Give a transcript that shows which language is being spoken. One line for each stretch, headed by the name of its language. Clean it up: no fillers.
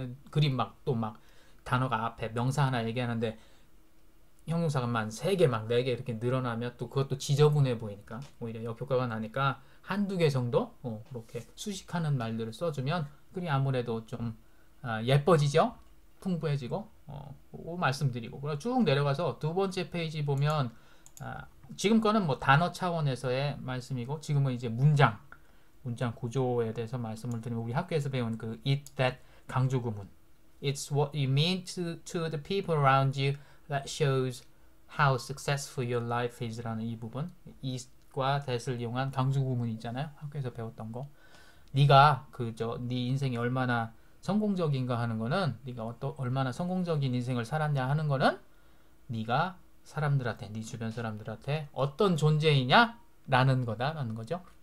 Korean: 그림 막또막 단어가 앞에 명사 하나 얘기하는데 형용사가 만세 개, 막네개 이렇게 늘어나면 또 그것도 지저분해 보이니까, 오히려 역효과가 나니까 한두 개 정도 그렇게 수식하는 말들을 써주면 글이 아무래도 좀 예뻐지죠? 풍부해지고. 그거 말씀드리고, 그리고 쭉 내려가서 두 번째 페이지 보면, 지금 거는 뭐 단어 차원에서의 말씀이고, 지금은 이제 문장 구조에 대해서 말씀을 드리면, 우리 학교에서 배운 그 it that 강조구문,
English: It's what you mean to the people around you that shows how successful your life is
Korean: 라는 이 부분. is과 that을 이용한 강조 구문 있잖아요. 학교에서 배웠던 거. 네가 그저 네 인생이 얼마나 성공적인가 하는 거는 네가 얼마나 성공적인 인생을 살았냐 하는 거는 네가 사람들한테 네 주변 사람들한테 어떤 존재이냐 라는 거다 라는 거죠.